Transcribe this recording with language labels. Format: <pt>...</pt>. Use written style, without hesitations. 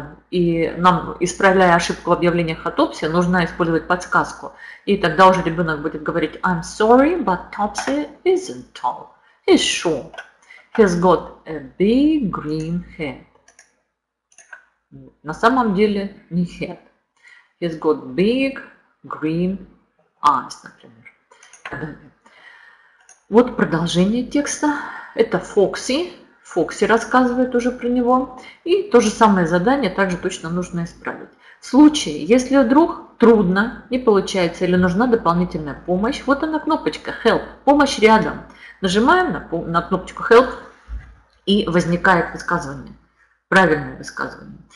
<ru>И нам, исправляя ошибку в объявлениях о Топсе, нужно использовать подсказку. И тогда уже ребенок будет говорить</ru> <en>I'm sorry, but Topsy isn't tall. He's short. He's got a big green head.</en> <ru>На самом деле не head.</ru> <en>He's got big green eyes,</en> <ru>например. Вот продолжение текста. это Фокси. Фокси рассказывает уже про него. И то же самое задание также точно нужно исправить. В случае, если вдруг трудно, не получается или нужна дополнительная помощь, вот она кнопочка Help, помощь рядом. Нажимаем на кнопочку Help и возникает высказывание, правильное высказывание.</ru>